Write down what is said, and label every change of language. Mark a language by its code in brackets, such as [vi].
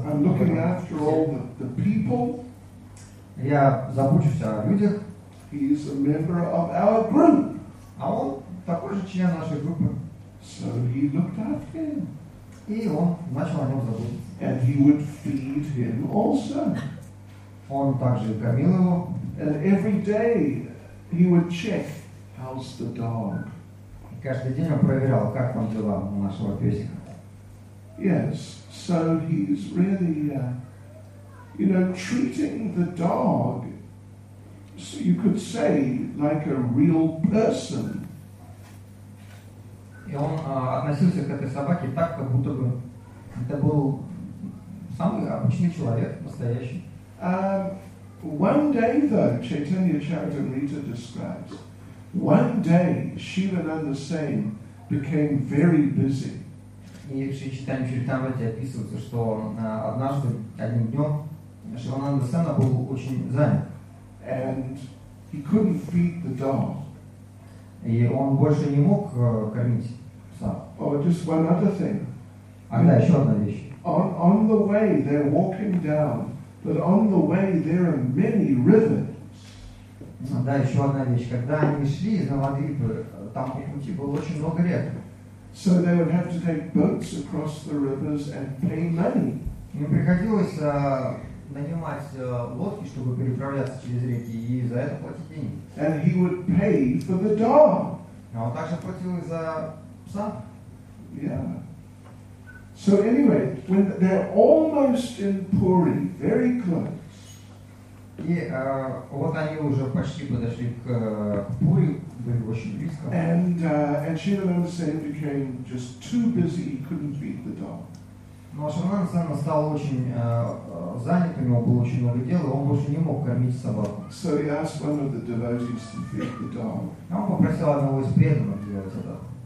[en] I'm looking after all the people. [ru] Я забочусь о людях. [en] He is a member of our group. [ru] А он такой же член нашей группы. [en] So he looked after him. [ru] И он начал о нем заботиться. [en] And he would feed him also. [ru] Он также кормил его. [en] And every day he would check how's the dog. [ru] И каждый день он проверял, как там дела у нашего песика. [en] Yes, so he's really, you know, treating the dog, so you could say, like a real person. [ru] И он относился к этой собаке так, как будто бы это был самый обычный человек, настоящий. [en] One day, though, Chaitanya Charitamrita describes, one day Shivananda Sen became very busy. [ru] И Шри Чайтанья Чаритамрита описывается, что однажды, одним днем, Шивананда Сена был очень занят. [en] And he couldn't feed the dog. [ru] И он больше не мог кормить пса. [en] Oh, just one other thing. [ru] А да, еще одна вещь. [en] On the way, they're walking down. But on the way there are many rivers. [ru] Ну, да, еще одна вещь. Когда они шли из Навадвипы, там по пути было очень много рек. [en] So they would have to take boats across the rivers and pay money. [ru] Им приходилось нанимать лодки, чтобы переправляться через реки, и за это платить деньги. [en] And he would pay for the dog. [ru] А он также платил за пса. [en] Yeah. So anyway, when they're almost in Puri, very close. [ru] Yeah, вот они уже почти подошли к Пури, были очень близко. [en] And Shivananda Sen became just too busy, he couldn't feed the dog. [ru] Но Шивананда Сен стал очень занят, у него было очень много дел, и он больше не мог кормить собаку. [en] So he asked one of the devotees to feed the dog. [ru] Он попросил одного из преданных делать это.